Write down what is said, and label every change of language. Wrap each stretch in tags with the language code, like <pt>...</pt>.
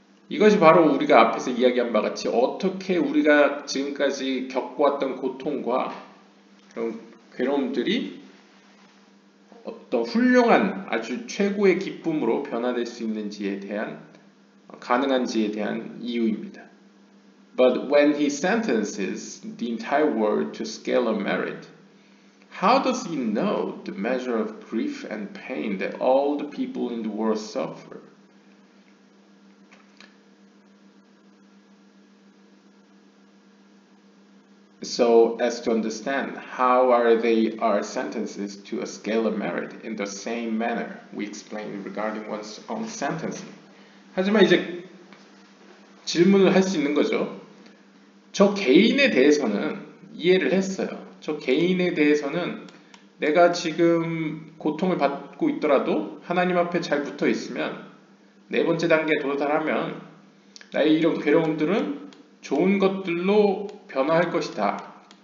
<ko>이것이 바로 우리가 앞에서 이야기한 바 같이 어떻게 우리가 지금까지 겪어왔던 고통과 그런 괴로움들이 어떤 훌륭한 아주 최고의 기쁨으로 변화될 수 있는지에 대한, 가능한지에 대한 이유입니다.</ko> <en>But when he sentences the entire world to scale of merit, how does he know the measure of grief and pain that all the people in the world suffer? So as to understand how are they are sentences to a scale of merit in the same manner we explained regarding one's own sentencing.</en> <ko>하지만 이제 질문을 할 수 있는 거죠. 저 개인에 대해서는 이해를 했어요. 저 개인에 대해서는 내가 지금 고통을 받고 있더라도 하나님 앞에 잘 붙어 있으면, 네 번째 단계에 도달하면 나의 이런 괴로움들은 좋은 것들로 변화할 것이다.</ko>